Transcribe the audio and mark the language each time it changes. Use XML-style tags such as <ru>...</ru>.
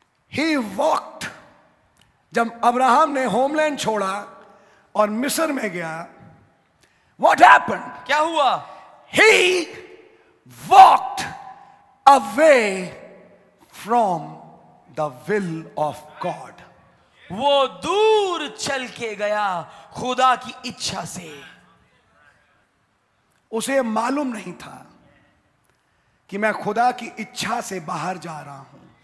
<en>He walked.</en> <hi>जब Abraham ने homeland छोड़ा और मिस्र में गया,</hi> <en>what happened?</en> <hi>क्या हुआ?</hi> <en>He walked away from the will of God.</en> <hi>वो दूर चल के गया खुदा की इच्छा से. उसे मालूम नहीं था कि मैं खुदा की इच्छा से बाहर जा रहा हूं.</hi>